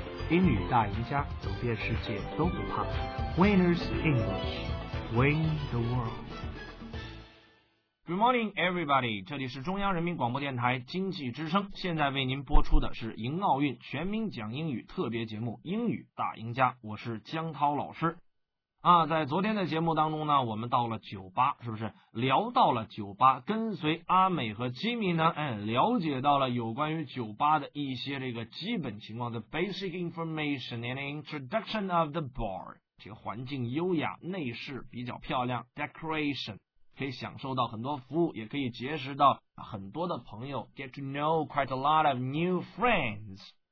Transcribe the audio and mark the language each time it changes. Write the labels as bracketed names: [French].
[Chinese] 英语大赢家，走遍世界都不怕。 [English] Winners English, win the world. Good morning, everybody. [Chinese] 这里是中央人民广播电台经济之声，现在为您播出的是迎奥运全民讲英语特别节目《英语大赢家》，我是江涛老师。啊，在昨天的节目当中呢，我们到了酒吧，是不是聊到了酒吧，跟随阿美和吉米呢，了解到了有关于酒吧的一些这个基本情况 [English] the basic information and introduction of the bar， [Chinese] 这个环境优雅，内饰比较漂亮， decoration 可以享受到很多服务，也可以结识到很多的朋友， [English] get to know quite a lot of new friends。